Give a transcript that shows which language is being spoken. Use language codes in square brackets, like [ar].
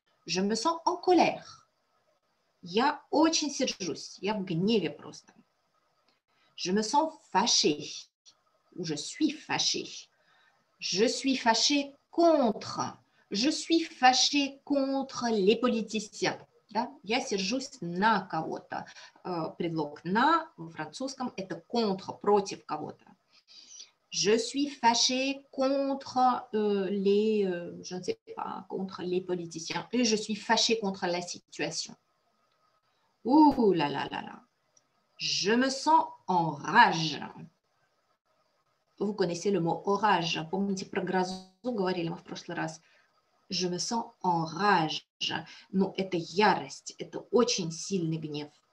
[fr] Je me sens en colère. [ru] Я очень сержусь. Я в гневе просто. [fr] Je me sens fâché. Ou je suis fâché. Je suis fâché contre. Je suis fâché contre les politiciens. [ru] Да? Я сержусь на кого-то. Предлог на в французском это contre, против кого-то. [fr] Je suis fâché contre les, je ne sais pas, contre les politiciens. Et je suis fâché contre la situation. Ouh là là là là. Je me sens en rage. Vous connaissez le mot orage. [ru] Помните, про грозу говорили мы в прошлый раз. [fr] Je me sens en rage. [ru] Но это ярость, это очень сильный гнев.